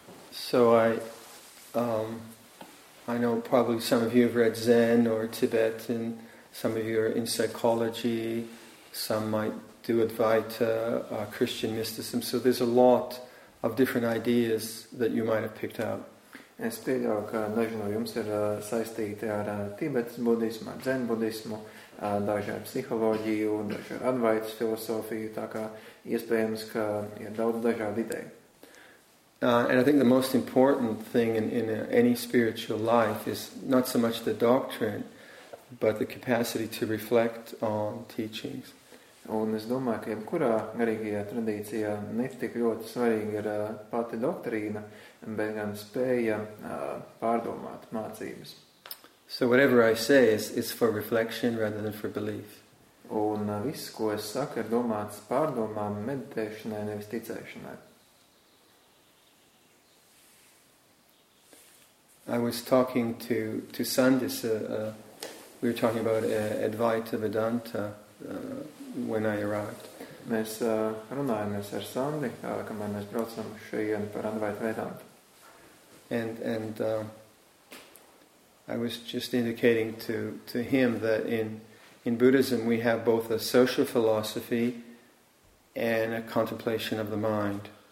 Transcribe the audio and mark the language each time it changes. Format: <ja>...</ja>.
<en>So I know probably some of you have read Zen or Tibet, and some of you are in psychology, some might do Advaita, Christian mysticism. So there's a lot of different ideas that you might have picked out.</en> <lv>Es pieļauju, ka daži no jums ir saistīti ar Tibetas budismu, ar Zen budismu, daži ar psiholoģiju, daži ar Advaitas filosofiju, tā kā iespējams, ka ir daudz dažādu ideju.</lv> <en>And I think the most important thing in any spiritual life is not so much the doctrine, but the capacity to reflect on teachings.</en> <lv>Un es domāju, ka jebkurā garīgajā tradīcijā netika ļoti svarīga ir pati doktrīna, bet gan spēja pārdomāt mācības.</lv> <en>So whatever I say is for reflection rather than for belief.</en> <lv>Un viss, ko es saku, ir domāts pārdomām, meditēšanai, nevis ticēšanai.</lv> <en>I was talking to Sandis, we were talking about Advaita Vedanta when I arrived.</en> <lv>Mēs runājāmies ar Sandi, kamēr mēs braucam šajien par Advaita Vedanta.</lv> <en>And I was just indicating to him that in Buddhism we have both a social philosophy and a contemplation of the mind.</en>